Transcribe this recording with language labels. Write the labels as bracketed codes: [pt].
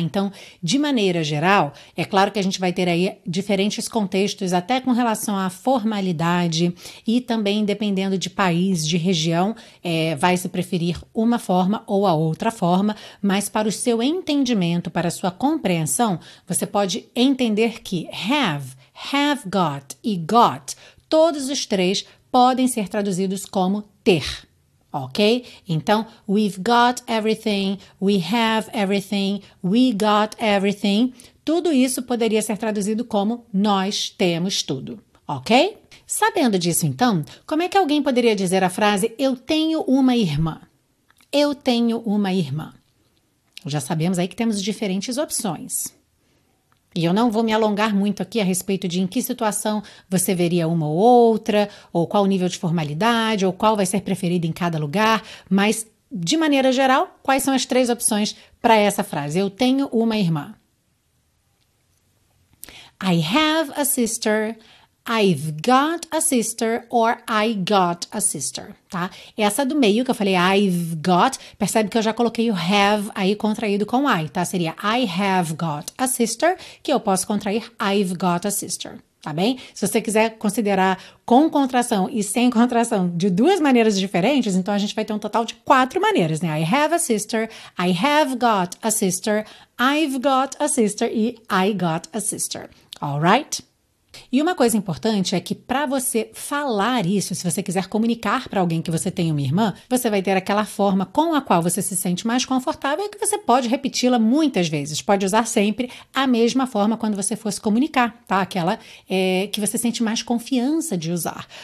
[pt] Então, de maneira geral, é claro que a gente vai ter aí diferentes contextos, até com relação à formalidade e também dependendo de país, de região, vai se preferir uma forma ou a outra forma, mas para o seu entendimento, para a sua compreensão, você pode entender que have got e got, todos os três podem ser traduzidos como ter. Ok? [en] Então, we've got everything, we have everything, we got everything. [pt] Tudo isso poderia ser traduzido como nós temos tudo. Ok? Sabendo disso, então, como é que alguém poderia dizer a frase eu tenho uma irmã? Eu tenho uma irmã. Já sabemos aí que temos diferentes opções. E eu não vou me alongar muito aqui a respeito de em que situação você veria uma ou outra, ou qual o nível de formalidade, ou qual vai ser preferido em cada lugar, mas, de maneira geral, quais são as três opções para essa frase? Eu tenho uma irmã. [en] I have a sister, I've got a sister, or I got a sister, tá? [pt] Essa do meio que eu falei, I've got, percebe que eu já coloquei o have aí contraído com I, tá? Seria [en] I have got a sister, [pt] que eu posso contrair [en] I've got a sister, [pt] tá bem? Se você quiser considerar com contração e sem contração de duas maneiras diferentes, então a gente vai ter um total de quatro maneiras, né? [en] I have a sister, I have got a sister, I've got a sister e I got a sister, all right? [pt] E uma coisa importante é que para você falar isso, se você quiser comunicar para alguém que você tem uma irmã, você vai ter aquela forma com a qual você se sente mais confortável e que você pode repeti-la muitas vezes. Pode usar sempre a mesma forma quando você for se comunicar, tá? Aquela que você sente mais confiança de usar.